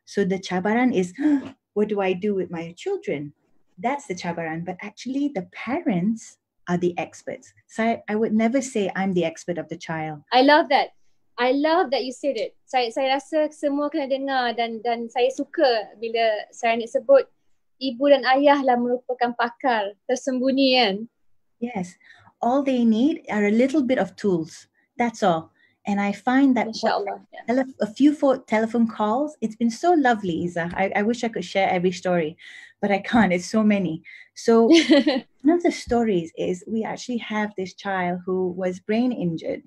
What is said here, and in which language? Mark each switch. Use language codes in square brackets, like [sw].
[en] So the cabaran is, what do I do with my children? That's the cabaran. But actually, the parents are the experts. So I would never say I'm the expert of the child. I love that you said it. [ms] Saya rasa semua kena dengar dan saya suka bila saya nak sebut ibu dan ayah lah merupakan pakar tersembunyi kan. [en] Yes. all they need are a little bit of tools. That's all. And I find that a few telephone calls, it's been so lovely, Iza. I wish I could share every story, but I can't. It's so many. So one of the stories is we actually have this child who was brain injured.